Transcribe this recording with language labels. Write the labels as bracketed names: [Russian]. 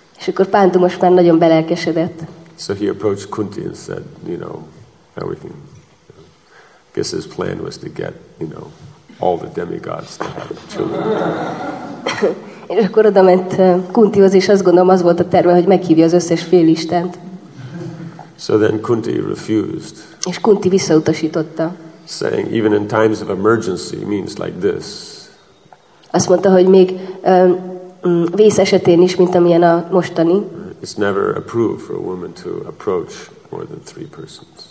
[Hungarian] És akkor Pandu most már nagyon belelkesedett. [English] So he approached Kunti and said, you know, Now we can. I guess his plan was to get, you know, all the demigods to have children. [Hungarian] És akkor oda ment Kuntihoz, és azt gondolom, az volt a terve, hogy meghívja az összes félistent. [English] So then Kunti refused. [Hungarian] És Kunti visszautasította. [English] Saying even in times of emergency means like this. [Hungarian] Azt mondta, hogy még vész esetén is, mint amilyen a mostani. [English] It's never approved for a woman to approach more than three persons.